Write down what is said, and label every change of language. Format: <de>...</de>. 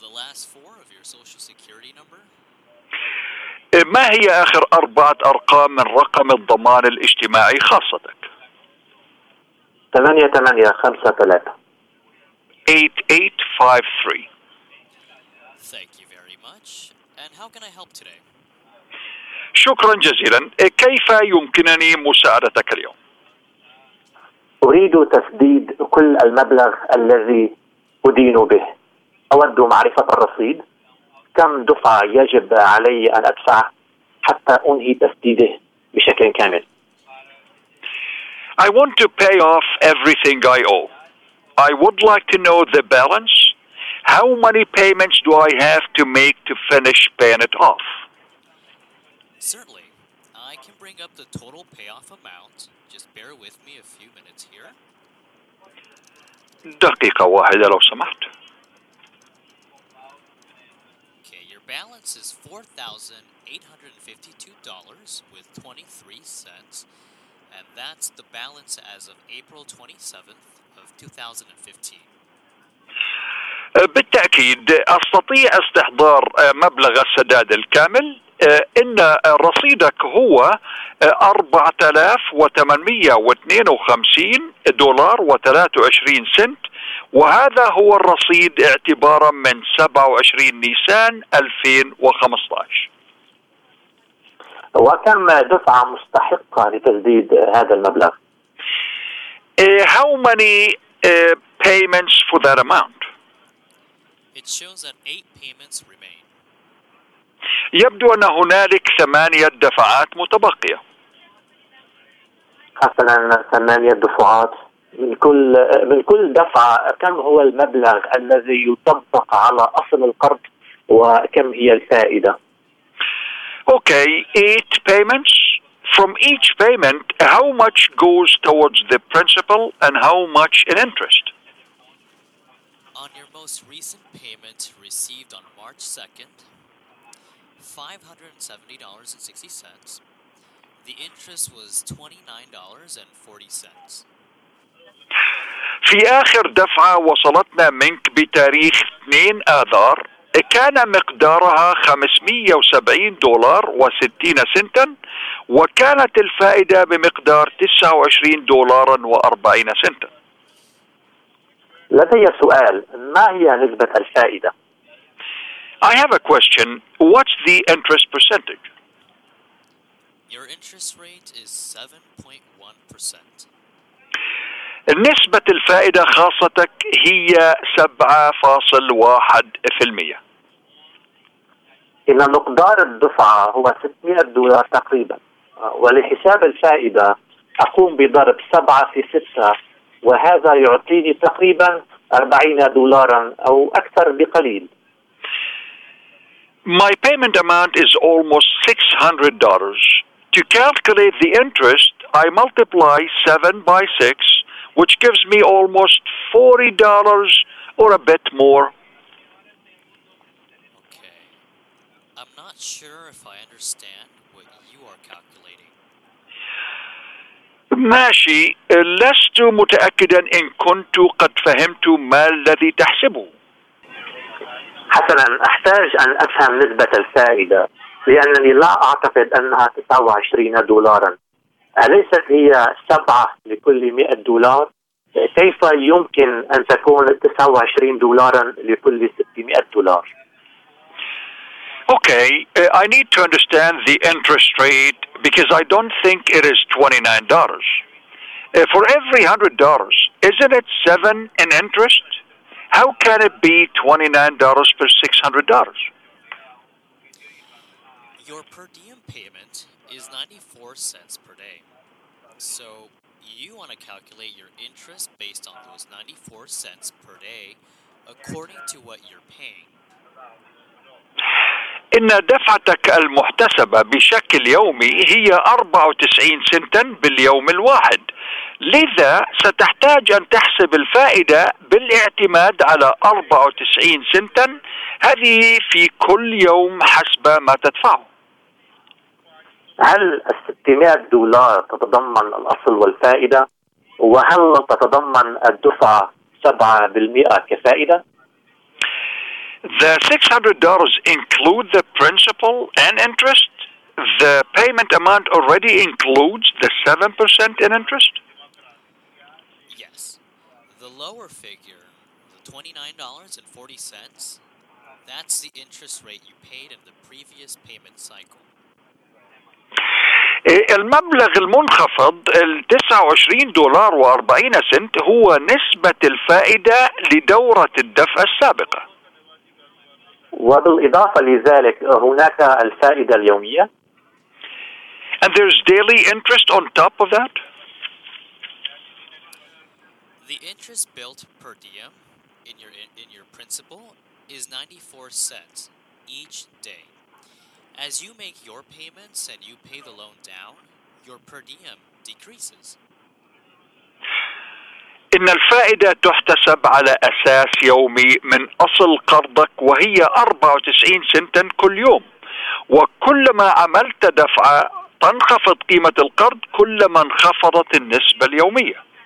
<en>The last four of your social security number.</en> <ar>ما هي آخر أربعة أرقام من رقم الضمان الاجتماعي خاصتك؟</ar> <en>8853. Thank you very much. And how can I help today?</en> <ar>شكرا جزيلا. كيف يمكنني مساعدتك اليوم؟ أريد تسديد كل المبلغ الذي أدين به. أود معرفة الرصيد. كم دفعة يجب علي أن أدفع حتى أنهي تسديده بشكل كامل؟</ar> <en>I want to pay off everything I owe. I would like to know the balance. How many payments do I have to make to finish paying it off? Certainly. I can bring up the total payoff amount. Just bear with me a few minutes here.</en> <ar>دقيقة واحدة لو سمحت.</ar> <en>Okay, your balance is $4,852.23. And that's the balance as of April 27th of 2015.</en> <ar>بالتأكيد أستطيع استحضار مبلغ السداد الكامل. إن رصيدك هو $4,852.23، وهذا هو الرصيد اعتبارا من 27 نيسان 2015. وكم دفعة مستحقة لتسديد هذا المبلغ؟</ar> <en>How many payments for that amount? It shows that 8 payments remain.</en> <ar>يبدو أن هنالك 8 دفعات متبقية. حسناً، 8 دفعات. من كل دفعة كم هو المبلغ الذي يطبق على أصل القرض وكم هي الفائدة؟</ar> <en>Okay, 8 payments. From each payment, how much goes towards the principal and how much in interest? On your most recent payment received on March 2nd, $570.60, the interest was $29.40.</en> <ar>في آخر دفعة وصلتنا منك بتاريخ 2 آذار، كان مقدارها $570.60 وكانت الفائدة بمقدار $29.40. لدي سؤال، ما هي نسبة الفائدة؟</ar> <en>I have a question. What's the interest percentage? Your interest rate is 7.1%.</en> <ar>نسبة الفائدة خاصتك هي 7.1%. إن مقدار الدفعة هو 600 دولار تقريبا، ولحساب الفائدة أقوم بضرب 7 × 6، وهذا يعطيني تقريبا 40 دولارا أو أكثر بقليل.</ar> <en>My payment amount is almost $600. To calculate the interest, I multiply 7 × 6, which gives me almost $40 or a bit more. Okay. I'm not sure if I understand what you are calculating.</en> <ar>ماشي، لست متأكدا إن كنت قد فهمت ما الذي تحسبه. حسنا، أحتاج أن أفهم نسبة الفائدة، لأنني لا أعتقد أنها 29 دولارا. أليست هي 7 لكل 100 دولار؟ كيف يمكن أن تكون 29 دولارا لكل 600 دولار؟</ar> <en>Okay, I need to understand the interest rate because I don't think it is $29. For every $100, isn't it 7 in interest? How can it be $29 per $600? Your per diem payment is 94 cents per day. So you want to calculate your interest based on those 94 cents per day according to what you're paying.</en> <ar>إن دفعتك المحتسبة بشكل يومي هي 94 سنتا باليوم الواحد، لذا ستحتاج أن تحسب الفائدة بالاعتماد على 94 سنتا هذه في كل يوم حسب ما تدفعه. هل 600 دولار تتضمن الأصل والفائدة؟ وهل تتضمن الدفعة 7% كفائدة؟</ar> <en>The $600 include the principal and interest. The payment amount already includes the 7% in interest. Yes, the lower figure, the $29.40, that's the interest rate you paid in the previous payment cycle.</en> <ar>المبلغ المنخفض ال 29 دولار و 40 سنت هو نسبة الفائدة لدورة الدفع السابقة. وبالإضافة لذلك هناك الفائدة اليومية.</ar> <en>And there's daily interest on top of that. The interest built per diem in your principal is 94 cents each day. As you make your payments and you pay the loan down, your per diem decreases.</en> <ar>إن الفائدة تحتسب على أساس يومي من أصل قرضك وهي 94 سنتا كل يوم، وكلما عملت دفعة تنخفض قيمة القرض كلما انخفضت النسبة اليومية.</ar>